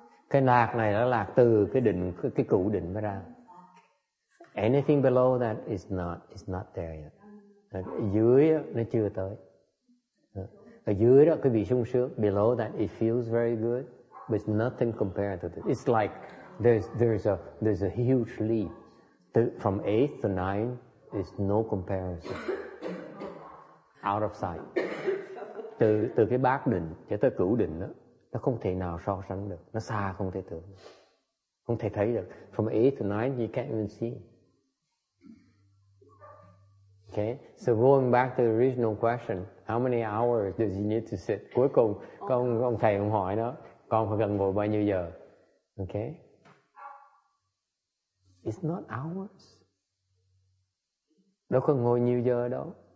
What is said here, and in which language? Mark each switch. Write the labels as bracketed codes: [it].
[vi] Cái lạc này là lạc từ cái định, cái cụ định mới ra. [en] Anything below that is not, it's not there yet. [vi] Dưới nó chưa tới. Ở dưới đó quý vị sung sướng. [en] Below that it feels very good, but it's nothing compared to this. It's like there's a huge leap from 8th to 9th. Is no comparison. Out of sight. [vi] Từ cái bát định cho tới cửu định đó, nó không thể nào so sánh được. Nó xa không thể tưởng, không thể thấy được. From 8th to 9th you can't even see. [en] Okay, so going back to the original question, how many hours does you need to sit? [vi] Cuối cùng, con thầy cũng hỏi nó, con phải cần ngồi bao nhiêu giờ? Okay. [en] It's not hours. [vi] Đâu cần ngồi nhiều giờ đâu.